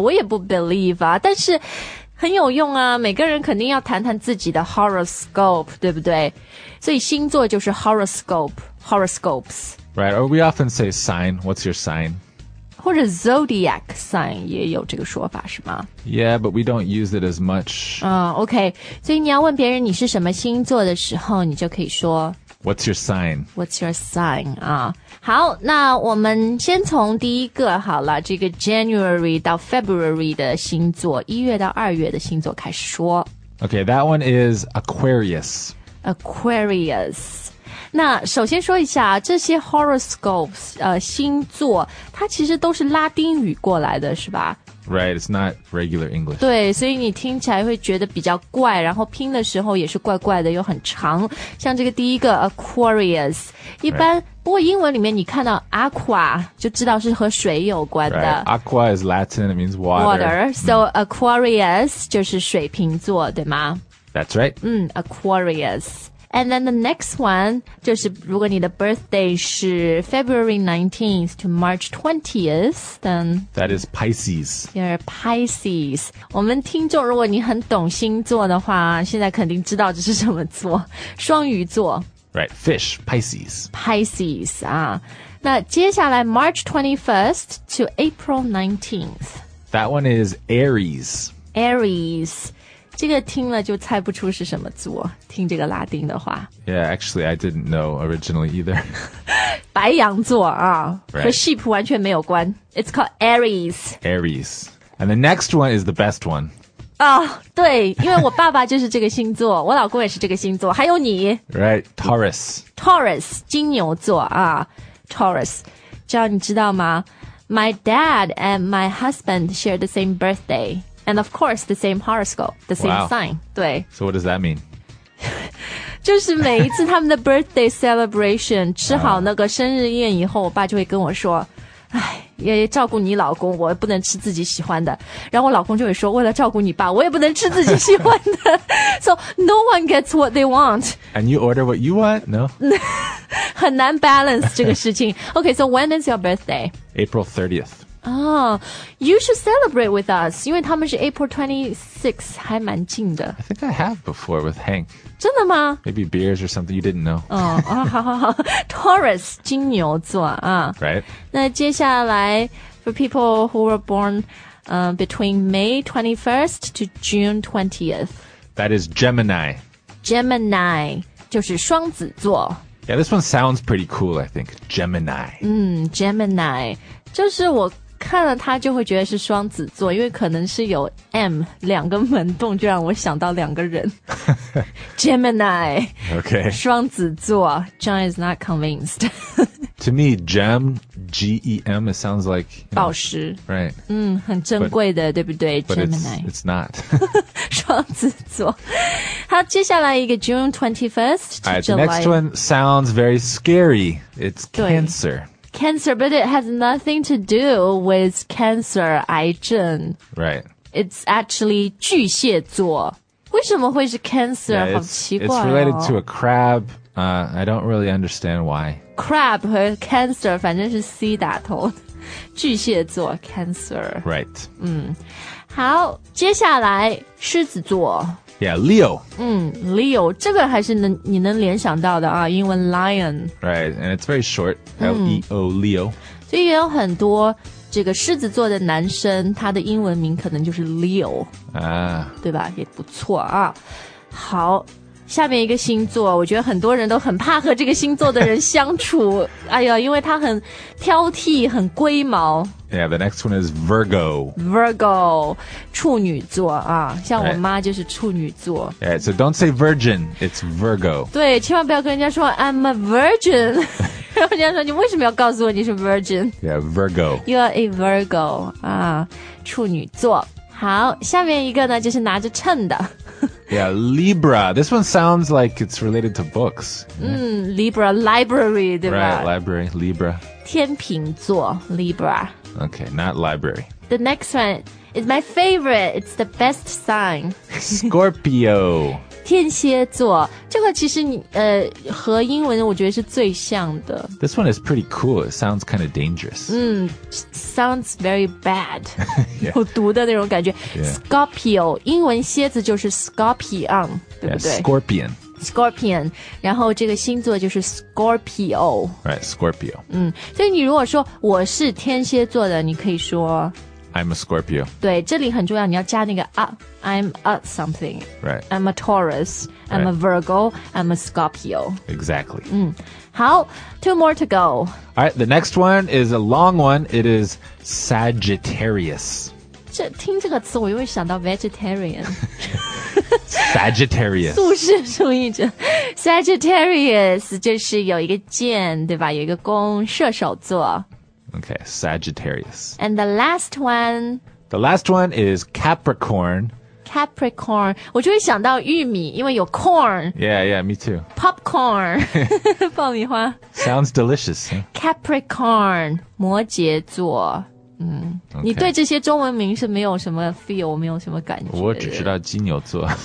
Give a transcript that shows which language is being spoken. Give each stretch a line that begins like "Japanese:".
Chinese: 我也不 believe 啊，但是很有用啊，每个人肯定要谈谈自己的 horoscope, 对不对？所以星座就是 horoscope, horoscopes.
English: Right, or we often say sign, what's your sign?
Chinese: 或者 zodiac sign 也有这个说法是吗
English: Yeah, but we don't use it as much. OK.
Chinese: 所以你要问别人你是什么星座的时候你就可以说
English: What's your sign? What's your sign?
Chinese: 好那我们先从第一个好了这个 January 到 February 的星座1月到2月的星座开始说
English: OK, that one is Aquarius. Aquarius.
Chinese: 那首先说一下这些 horoscopes, 星座它其实都是拉丁语过来的是吧
English: Right, it's not regular English.
Chinese: 对所以你听起来会觉得比较怪然后拼的时候也是怪怪的又很长。像这个第一个 Aquarius, 一般、right. 不过英文里面你看到 aqua, 就知道是和水有关的。
English: Right. Aqua is Latin, it means water.
Chinese: Water, so Aquarius 就是水瓶座对吗
English: That's right. Aquarius. And then the next one,
Chinese: 就是如果你的
English: birthday 是 February 19th to March 20th, then... That is Pisces. You're Pisces.
Chinese: 我们听众如果你很懂星座的话现在肯定知道这是什么座。双鱼座。
English: Right, fish, Pisces. Pisces, 啊。
Chinese: 那接下来
English: March 21st to April 19th. That one is Aries. Aries.
Chinese: 这个听了就猜不出是什么座听这个拉丁的话
English: Yeah, actually, I didn't know originally either
Chinese: 白羊座啊、
English: right.
Chinese: 和 sheep 完全没有关
English: It's called Aries Aries And the next one is the best one
Chinese: 啊、oh, 对因为我爸爸就是这个星座我老公也是这个星座还有你
English: Right, Taurus Taurus, 金牛座啊 Taurus
Chinese: 这样你知道吗
English: My dad and my husband share the same birthdayAnd of course, the same horoscope, the same sign. Wow. 对。So what does that mean?
Chinese: 就是每一次他们的 birthday celebration, 吃好那个生日宴以后,我爸就会跟我说,哎,也照顾你老公,我不能吃自己喜欢的。然后我老公就会说,为了照顾你爸,我也不能吃自己喜欢的。
English: So no one gets what they want. And you order what you want? No?
Chinese: 很难 balance 这个事情。
English: Okay, so when is your birthday? April 30th. You should celebrate with us,
Chinese: 因为他们是
English: April 26th,
Chinese: 还蛮近的。
English: I think I have before with Hank.
Chinese: 真的吗?
English: Maybe beers or something, you didn't know.
Chinese: Taurus, 金牛座啊。
English: Right.
Chinese: 那接下来,
English: for people who were born between May 21st to June 20th. That is Gemini.
Chinese: Gemini, 就是双子座。
English: Yeah, this one sounds pretty cool, I think. Gemini.
Chinese: Gemini, 就是我看了他就会觉得是双子座因为可能是有 M 两个门洞就让我想到两个人 Gemini
English: OK 双子座 John is not convinced To me gem G-E-M it sounds like you
Chinese: know, 宝石
English: Right
Chinese: 很珍贵的
English: but,
Chinese: 对不对 Gemini
English: it's not
Chinese: 双子座好接下来一个 June 21st to
English: right, July The next one sounds very scary It's cancer Cancer, but it has nothing to do with cancer, 癌症 Right. It's actually
Chinese: 巨蟹座为什么会是 cancer?
English: Yeah,
Chinese: 好奇怪哦
English: It's related to a crab. I don't really understand why.
Chinese: Crab 和 cancer 反正是 C 打头巨蟹座 cancer.
English: Right.
Chinese: 好接下来狮子座
English: Yeah, Leo.
Chinese: Leo, 这个还是你能联想到的啊英文 lion.
English: Right, and it's very short. L-E-O, Leo.
Chinese: 所以也有很多这个狮子座的男生他的英文名可能就是 Leo. 啊。对吧也不错啊。好下面一个星座我觉得很多人都很怕和这个星座的人相处。哎呀因为他很挑剔很龟毛。
English: Yeah, the next one is Virgo.
Chinese: Virgo, 处女座啊，像我妈就是处女座。
English: Yeah, so don't say virgin, it's Virgo.
Chinese: 对，千万不要跟人家说
English: I'm a virgin.
Chinese: 然后人家说你为什么要告诉我你是 virgin?
English: Yeah, Virgo. You are a Virgo, 啊，处女座。
Chinese: 好，下面一个呢就是拿着秤的。
English: Yeah, Libra. This one sounds like it's related to books. Mm, Libra, library, 对吧 Right, library, Libra.
Chinese: 天秤座 Libra.
English: Okay, not library. The next one is my favorite. It's the best sign. Scorpio.
Chinese: 天蝎座这个其实你和英文我觉得是最像的。
English: This one is pretty cool. It sounds kind of dangerous. Mm, sounds very bad.
Chinese: 有毒的那种感觉。 Scorpio, 英文蝎子就是 Scorpion, 对不对
English: Scorpion.
Chinese: Scorpion, 然后这个星座就是 Scorpio.
English: Right, Scorpio.
Chinese: 嗯，所以你如果说我是天蝎座的你可以说
English: I'm a Scorpio.
Chinese: 对，这里很重要，你要加那个
English: I'm a something. Right. I'm a Taurus. I'm a Virgo. I'm a Scorpio. Exactly. 嗯，好 ，two more to go. All right, the next one is a long one. It is Sagittarius.
Chinese: 这听这个词，我又会想到 vegetarian.
English: Sagittarius.
Chinese: 素食主义者 Sagittarius 就是有一个箭，对吧？有一个弓，射手座。
English: Okay, Sagittarius. And the last one? The last one is Capricorn. Capricorn.
Chinese: 我就会想到玉米因为有 corn.
English: Yeah, yeah, me too. Popcorn. 爆米花 Sounds delicious.、Huh?
Chinese: Capricorn. 摩羯座、嗯
English: okay.
Chinese: 你对这些中文名是没有什么 feel, 没有什么感觉。我只知道金牛座。